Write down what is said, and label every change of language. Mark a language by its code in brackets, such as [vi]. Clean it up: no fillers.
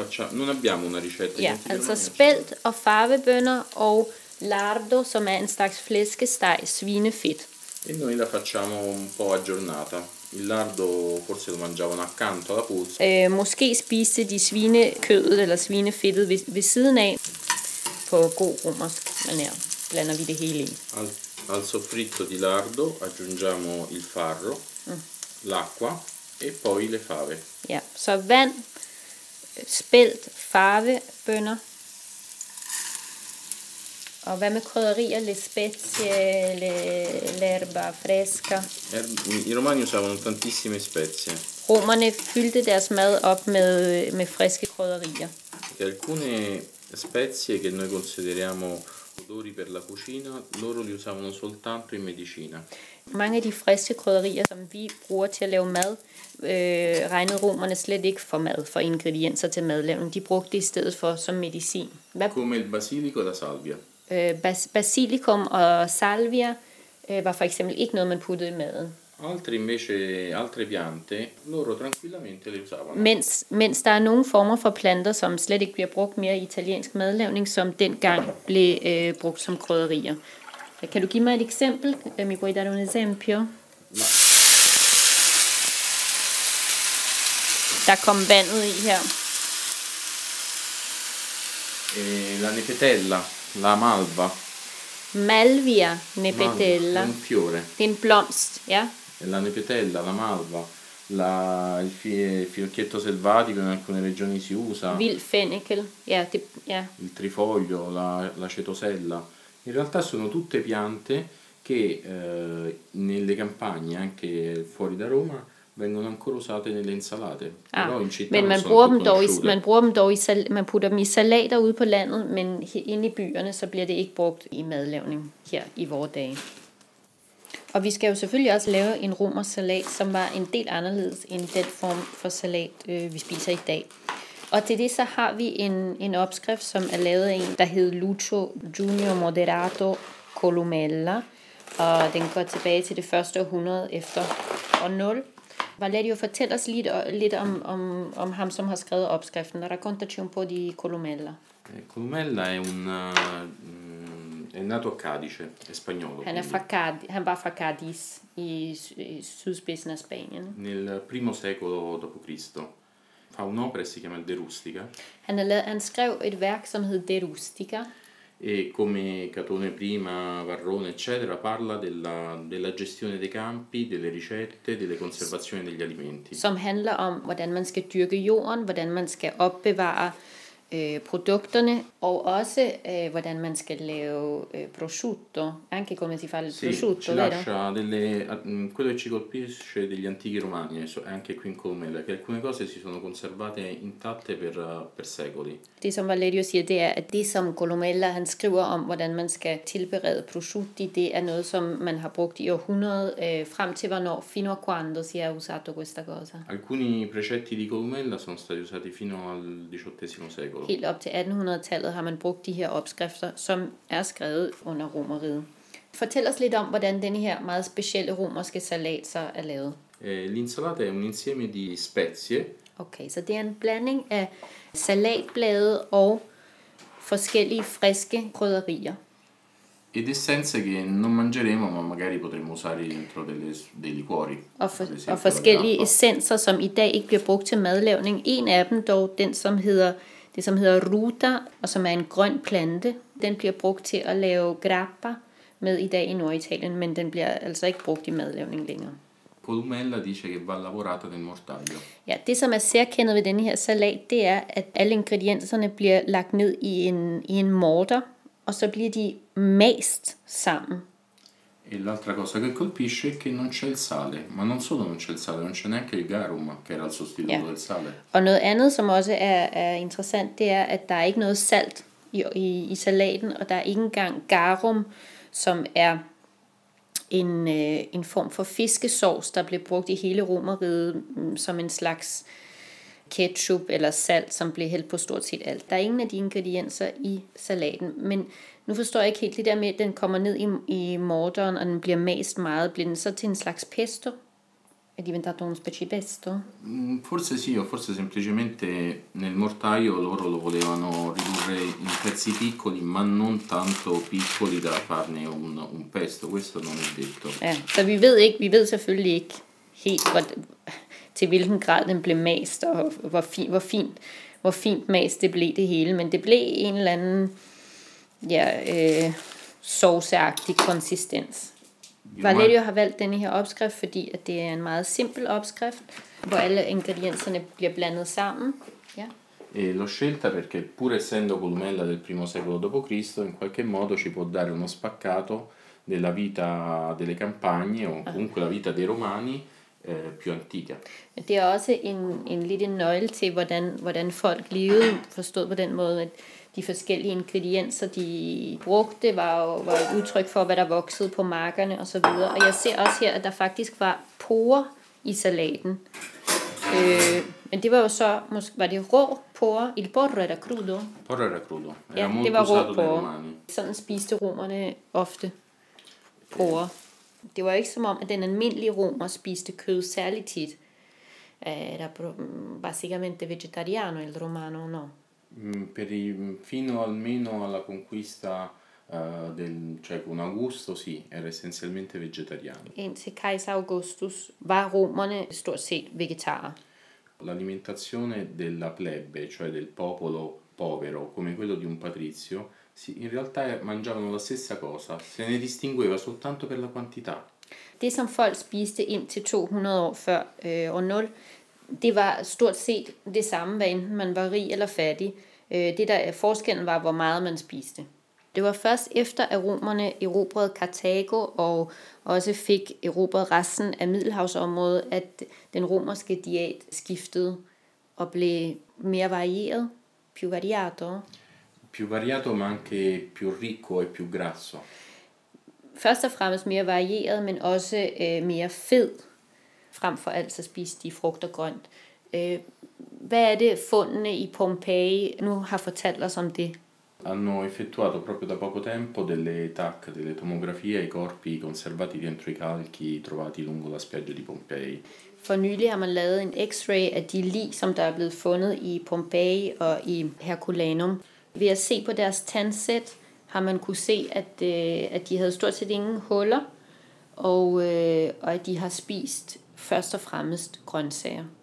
[it] Non abbiamo una ricetta. [da] Ja, altså spelt og favebønner og lardo, som er en slags flæskesteg, svinefedt. [it] E noi la facciamo un po' aggiornata. Il lardo forse lo mangiavano accanto alla pulsa. [da] Måske spiste de svinekødet eller svinefedtet ved siden af. På god romersk maner blander vi det hele i. [it] Al soffritto di lardo aggiungiamo il farro, l'acqua e poi le fave. [da] Ja, så vand, spelt, fave, bønner. Og hvad med krydderier, [it] le spezie, l'erba fresca? I Romani usavano tantissime spezie. [da] Romerne fyldte deres mad op med friske krydderier. [it] Alcune spezie che noi consideriamo odori per la cucina, loro li usavano soltanto in medicina. [da] Mange af de friske krydderier, som vi bruger til at lave mad, regnede romerne slet ikke for mad, for ingredienser til madlavning. De brugte det i stedet for som medicin. [it] Come il basilico da salvia. [da] Basilikum og salvia var for eksempel ikke noget, man puttede i maden. [it] Altre invece, altre piante, loro tranquillamente le usavano. [da] Mens der er nogle former for planter, som slet ikke bliver brugt mere i italiensk madlavning, som dengang blev brugt som krydderier. Kan du give mig et eksempel? [it] Mi puoi dare un esempio? Ma... [da] Der kom vandet i her. [it] La nepetella. La malva. Malvia nepetella. Malvia, un fiore. [da] Det er en blomst, ja. [it] La nepetella, la malva. Il fiocchetto selvatico in alcune regioni si usa. [da] Vil fennikel, ja. Ja. [it] Il trifoglio, la cetosella. In realtà sono tutte piante che nelle campagne, anche fuori da Roma, vengono ancora usate nelle insalate. Ah, però in città [da] men man bruger dem dog [it] conosciute. [da] Man putter dem i salater ude på landet, men inde i byerne, så bliver det ikke brugt i madlavning her i vore dage. Og vi skal jo selvfølgelig også lave en romersk salat, som var en del anderledes end den form for salat, vi spiser i dag. Og til det så har vi en opskrift, som er lavet af en, der hedder Lucio Junior Moderato Columella. Og den går tilbage til det første århundrede efter år 0. Valerio, fortæl os lidt om ham, som har skrevet opskriften. [it] Raccontaci un po' di Columella. Columella è un è nato a Cadice, è spagnolo. [da] Han var fra Cadiz i sydspidsen af Spanien. [it] Nel primo secolo dopo Cristo. Fa un'opera si chiama De Rustica. [da] Han skrev et værk, som hed De Rustica. [it] E come Catone prima, Varrone eccetera, parla della gestione dei campi, delle ricette, delle conservazioni degli alimenti. [da] Som handler om hvordan man skal dyrke jorden, hvordan man skal opbevare produkterne og også hvordan man skal lave prosciutto, [it] anche come si fa il prosciutto, vero? Sì, ci lascia delle quello che ci colpisce degli antichi romani, anche qui in Columella, che alcune cose si sono conservate intatte per secoli. [da] Det som Valerio siger, det er at det som Columella han skriver om hvordan man skal tilberede prosciutti, det er noget som man har brugt i århundrede frem til hvornår, [it] fino a quando si è usato questa cosa. Alcuni precetti di Columella sono stati usati fino al XVIII secolo. [da] Helt op til 1800-tallet har man brugt de her opskrifter, som er skrevet under romeriet. Fortæl os lidt om, hvordan denne her meget specielle romerske salat så er lavet. [it] L'insalata è un insieme di spezie. [da] Okay, så det er en blanding af salatblade og forskellige friske krydderier. [it] Ed essenze che non mangeremo, ma magari potremmo usare dentro dei liquori. [da] Og forskellige essenser, som i dag ikke bliver brugt til madlavning. En af dem dog, den som hedder ruta, og som er en grøn plante, den bliver brugt til at lave grappa med i dag i Norditalien, men den bliver altså ikke brugt i madlavning længere. [it] Columella dice che va lavorata nel mortaio. [da] Ja, det som er særkendet ved denne her salat, det er, at alle ingredienserne bliver lagt ned i en morter, og så bliver de mast sammen. [it] E l'altra cosa che colpisce è che non c'è il sale, ma non solo non c'è il sale, non c'è neanche il garum, che era il sostituto [da] ja. [it] Del sale. [da] Og noget andet, som også er interessant, det er, at der er ikke noget salt i salaten, og der er ikke engang garum, som er en form for fiskesovs, der blev brugt i hele romeriet som en slags ketchup eller salt, som bliver hældt på stort set alt. Der er ingen af de ingredienser i salaten, men nu forstår jeg ikke helt det der med, at den kommer ned i morteren, og den bliver mast meget. Bliver den så til en slags pesto? [it] È diventato una specie di pesto? Forse sì, o forse semplicemente nel mortaio loro lo volevano ridurre in pezzi piccoli, ma non tanto piccoli da farne un pesto, questo non è detto. [da] Så vi ved ikke, vi ved selvfølgelig ikke helt til hvilken grad den blev mast, og hvor fint mast det blev det hele, men det blev en eller anden sauceagtig konsistens. Valerio har valgt denne her opskrift, fordi at det er en meget simpel opskrift, hvor alle ingredienserne bliver blandet sammen. Ja. [it] L'ho scelta perché pur essendo columella del primo secolo dopo Cristo, in qualche modo ci può dare uno spaccato della vita delle campagne o comunque la vita dei romani più antica. [da] Det er også en lille nøgle til hvordan folk levede, forstået på den måde, at de forskellige ingredienser, de brugte, var et udtryk for, hvad der voksede på markerne osv. Og jeg ser også her, at der faktisk var porer i salaten. Men det var jo så, var det rå porer? [it] Il porre era crudo? Porre era crudo. [da] Ja, det var rå porer. Sådan spiste romerne ofte porer. Det var ikke som om, at den almindelige romer spiste kød særligt tit. [it] Var sicuramente vegetariano il romano, no? Fino almeno alla conquista del, cioè con Augusto, sì, era essenzialmente vegetariano. [da] Indtil Kaiser Augustus var romerne stort set vegetarer. [it] L'alimentazione della plebe, cioè del popolo povero, come quello di un patrizio, sì, in realtà mangiavano la stessa cosa, se ne distingueva soltanto per la quantità. [da] Det som folk spiste indtil 200 år før år 0, det var stort set det samme, hvad enten man var rig eller fattig. Det der forskellen var, hvor meget man spiste. Det var først efter, at romerne erobrede Karthago og også fik erobret resten af Middelhavsområdet, at den romerske diæt skiftede og blev mere varieret. [it] Più variato. Più variato, ma anche più ricco e più grasso. [da] Først og fremmest mere varieret, men også mere fed. Frem for alt så spiste de frugt og grønt. Hvad er det fundene i Pompeji nu har fortalt os om det? [it] Hanno effettuato proprio da poco tempo delle TAC, delle tomografie ai corpi conservati dentro i calchi trovati lungo la spiaggia di Pompeji. [da] For nylig har man lavet en X-ray af de lig, som der er blevet fundet i Pompeji og i Herculaneum. Ved at se på deres tandsæt har man kunne se, at de havde stort set ingen huller, og at de har spist først og fremmest grøntsager.